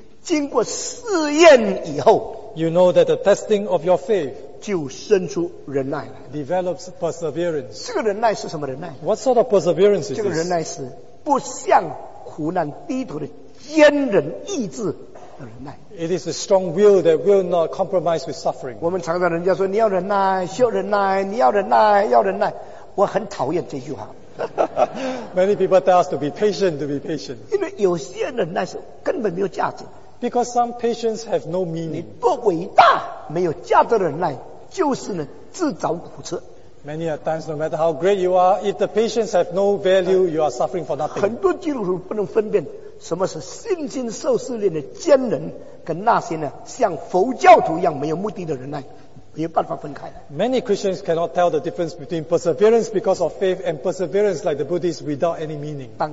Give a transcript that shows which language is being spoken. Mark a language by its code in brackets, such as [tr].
[zh] 你们知道你们的信心经过试验以后, [en] you know that the testing of your faith [zh] 就生出忍耐来, [en] develops perseverance. [zh] 这个忍耐是什么忍耐? [en] What sort of perseverance is this? [zh] 这个忍耐是不向苦难低头的坚忍意志, [en] it is a strong will that will not compromise with suffering. [zh] 我们常常人家说, 你要忍耐, 需要忍耐, 你要忍耐, 要忍耐, 我很讨厌这句话。 [en] Many people tell us to be patient, to be patient. [zh] 因为有些忍耐是根本没有价值, [en] because some patience have no meaning. [zh] 你不伟大, 没有价值的忍耐, 就是呢, 自找苦吃。 [en] Many a times, no matter how great you are, if the patience have no value, you are suffering for nothing. [zh] 很多基督徒不能分辨, 什么是信心受试炼的坚忍跟那些呢像佛教徒一样没有目的的忍耐没有办法分开。 [en] Many Christians cannot tell the difference between perseverance because of faith and perseverance like the Buddhists without any meaning.